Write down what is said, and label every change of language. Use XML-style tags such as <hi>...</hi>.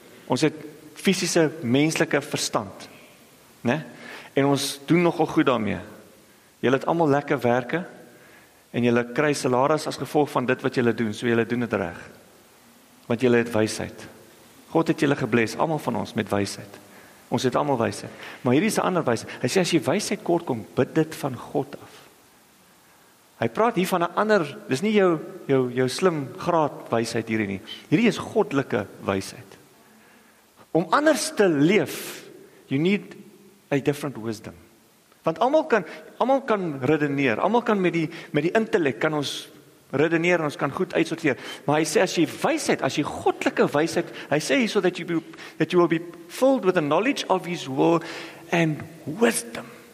<af>Ons het fisiese menslike verstand. Ne? En ons doen nogal goed daarmee. Julle het allemaal lekker werke en julle kry salaris as gevolg van dit wat julle doen, so julle doen het reg. Want julle het wysheid. God het julle gebless, allemaal van ons met wysheid. Ons het allemaal wysheid. Maar hier is 'n ander wysheid. Hy sê, as jy wysheid kortkom, bid dit van God af. Hy praat hier van 'n ander, dis nie jou slim graad wysheid hierdie nie. Hierdie is goddelike wysheid. Om anders te leef,</af> <en>you need a different wisdom.</en> <af>Want almal kan redeneer, almal kan met die intellek kan ons redeneer en ons kan goed uitsorteer. Maar hy sê, as jy wysheid, as jy goddelike wysheid, hy sê hier</af> <en>so that you will be filled with the knowledge of his will and wisdom.</en>